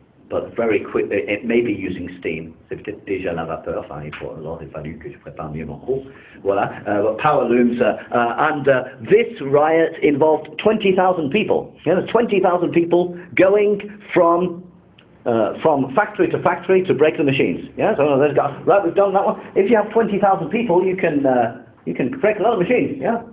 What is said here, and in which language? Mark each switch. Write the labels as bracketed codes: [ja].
[en] But very quickly, it may be using steam. [fr] C'est peut-être déjà la vapeur. Enfin, il faut, alors il fallait que je prépare mieux mon cours. [en] Voilà. But power looms. And this riot involved 20,000 people. You know, 20,000 people going from factory to factory to break the machines. Yeah. So no, there's got right. We've done that one. If you have 20,000 people, you can break a lot of machines. Yeah.